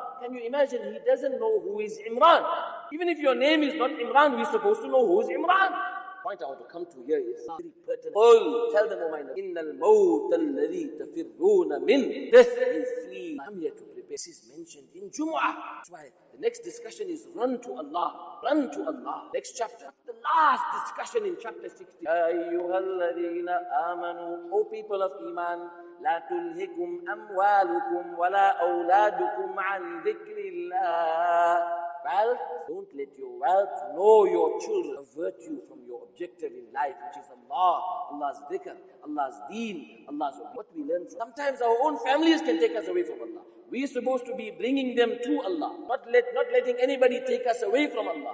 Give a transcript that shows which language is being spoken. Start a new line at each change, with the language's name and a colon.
English: Can you imagine, he doesn't know who is Imran. Even if your name is not Imran, we're supposed to know who is Imran. The point I want to come to here is very pertinent. Oh, tell them, oh my Lord,
Arabic: innal mawt alladhi tafirruna min,
English: death is free. I'm here to prepare. This is mentioned in Jumu'ah. That's why the next discussion is run to Allah. Run to Allah. Next chapter. The last discussion in chapter 60.
Arabic: Ya ayyuhalladhina amanu,
English: O people of Iman,
Arabic: لا تلهكم أموالكم ولا أولادكم عن ذكر الله.
English: Wealth, don't let your wealth nor your children avert you from your objective in life, which is Allah, Allah's dhikr, Allah's deen, Allah's what we learn from. Sometimes our own families can take us away from Allah. We are supposed to be bringing them to Allah, not letting anybody take us away from Allah.